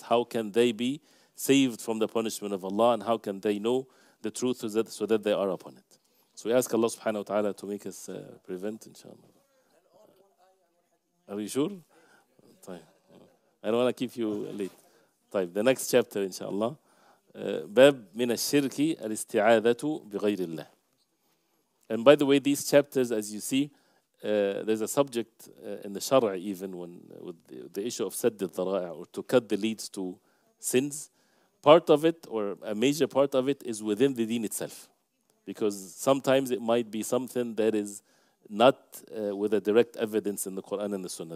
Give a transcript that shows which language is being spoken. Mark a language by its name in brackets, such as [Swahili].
[English] How can they be saved from the punishment of Allah, and how can they know the truth so that they are upon it? So we ask Allah subhanahu wa ta'ala to make us prevent, inshallah. Are you sure? طيب. I don't want to keep you late. طيب. The next chapter, inshallah. [Arabic] باب من الشرك الاستعاذة بغير الله. [English] And by the way, these chapters, as you see, there's a subject in the shara even when with the issue of سد الذرائع, or to cut the leads to sins. Part of it, or a major part of it, is within the deen itself. Because sometimes it might be something that is not with a direct evidence in the Qur'an and the Sunnah.